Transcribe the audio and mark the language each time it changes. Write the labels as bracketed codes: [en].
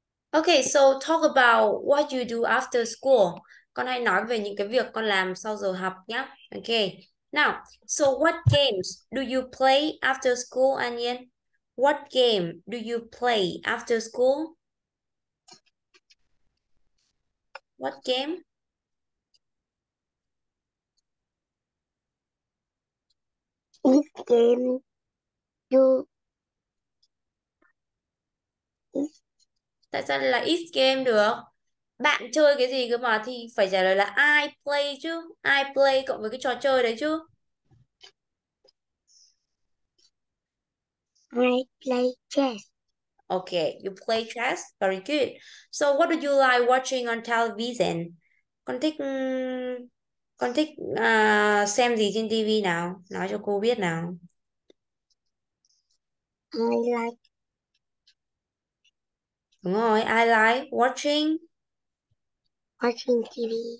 [en] Ok, so talk about what you do after school. [vi] Con hay nói về những cái việc con làm sau giờ học nhé. [en] Ok. Now, so what games do you play after school, Anh Yên? What game do you play after school? What game? game you [vi] Tại sao là [en] is game [vi] được? Bạn chơi cái gì cơ mà thì phải trả lời là [en] I play [vi] chứ. [en] I play [vi] cộng với cái trò chơi đấy chứ. [en] I play chess. Okay, you play chess. Very good. So what do you like watching on television? [vi] Con thích xem gì trên TV nào? Nói cho cô biết nào. [en] Like [vi] Đúng rồi, [en] I like watching. TV.